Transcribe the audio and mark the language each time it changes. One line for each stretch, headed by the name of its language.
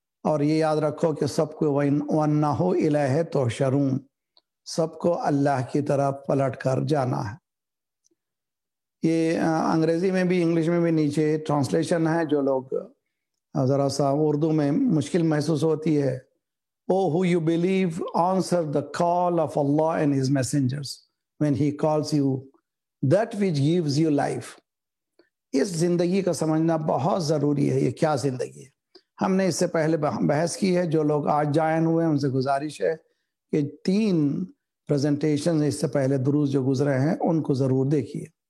Urdu: اور یہ یاد رکھو کہ سب کو
Arabic: وَأَنَّهُ إِلَيْهِ تُحْشَرُونَ,
Urdu: سب کو اللہ کی طرف پلٹ کر جانا ہے. یہ انگریزی میں بھی انگلش میں بھی نیچے ٹرانسلیشن ہے, جو لوگ ذرا سا اردو میں مشکل محسوس ہوتی ہے.
English: O who you believe answer the call of Allah and his messengers when he calls you that which gives you life.
Urdu: اس زندگی کا سمجھنا بہت ضروری ہے. یہ کیا زندگی ہے, ہم نے اس سے پہلے بحث کی ہے. جو لوگ آج جائن ہوئے ہیں ان سے گزارش ہے کہ 3 پریزنٹیشن اس سے پہلے دروس جو گزرے ہیں ان کو ضرور دیکھیے.